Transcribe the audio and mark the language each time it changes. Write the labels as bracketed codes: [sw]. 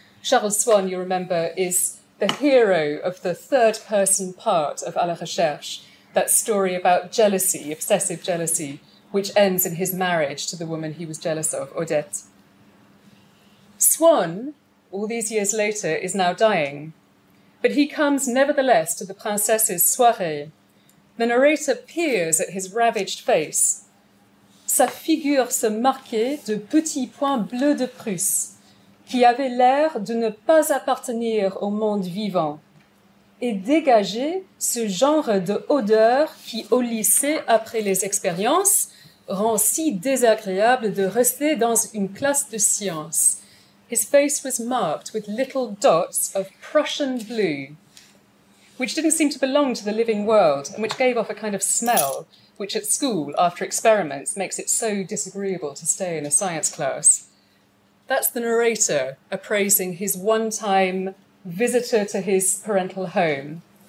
[en] Charles Swan, you remember, is the hero of the third person part of A la Recherche, that story about jealousy, obsessive jealousy, which ends in his marriage to the woman he was jealous of, Odette. Swan, all these years later, is now dying, but he comes nevertheless to the princesse's soirée. The narrator peers at his ravaged face. [fr] Sa figure se marquait de petits points bleus de Prusse, qui avaient l'air de ne pas appartenir au monde vivant, et dégageait ce genre de odeur qui, au lycée, après les expériences, rend si désagréable de rester dans une classe de science. [en] His face was marked with little dots of Prussian blue, which didn't seem to belong to the living world, and which gave off a kind of smell, which at school, after experiments, makes it so disagreeable to stay in a science class. That's the narrator appraising his one-time visitor to his parental home.